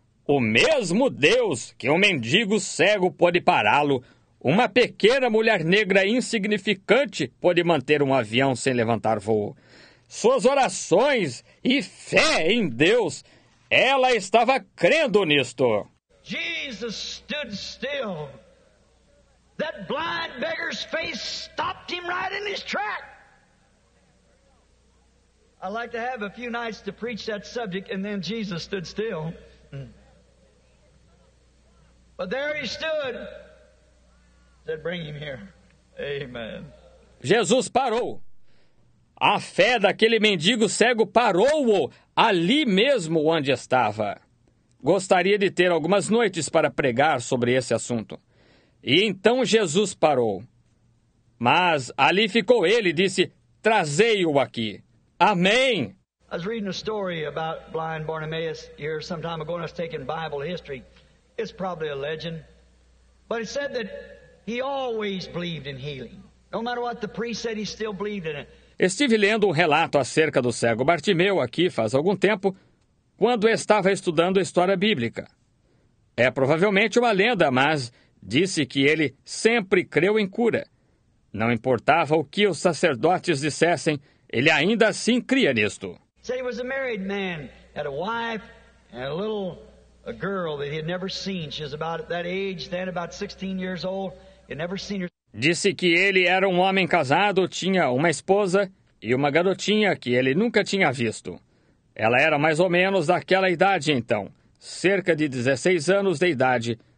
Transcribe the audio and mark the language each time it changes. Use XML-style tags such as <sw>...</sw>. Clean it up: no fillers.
<pt>O mesmo Deus que um mendigo cego pode pará-lo. Uma pequena mulher negra insignificante pode manter um avião sem levantar voo. Suas orações e fé em Deus, ela estava crendo nisto.</pt> <en>Jesus stood still. That blind beggar's face stopped him right in his track. I'd like to have a few nights to preach that subject and then Jesus stood still. But there he stood. That bring him here. Amen.</en> <pt>Jesus parou. A fé daquele mendigo cego parou-o ali mesmo onde estava. Gostaria de ter algumas noites para pregar sobre esse assunto. E então Jesus parou. Mas ali ficou ele e disse, trazei-o aqui. Amém.</pt> <en>I was reading a story about blind Bartimaeus here some time ago and I was taking Bible history. It's probably a legend. But it said that he always believed in healing. No matter what the priest said, he still believed in it.</en> <pt>Estive lendo um relato acerca do cego Bartimeu aqui faz algum tempo, quando estava estudando a história bíblica. É provavelmente uma lenda, mas disse que ele sempre creu em cura. Não importava o que os sacerdotes dissessem, ele ainda assim cria nisto.</pt> <en>Said he was a married man, had a wife and a girl that he had never seen. She was about that age then, about 16 years old.</en> <pt>Disse que ele era um homem casado, tinha uma esposa e uma garotinha que ele nunca tinha visto. Ela era mais ou menos daquela idade então, cerca de 16 anos de idade.</pt>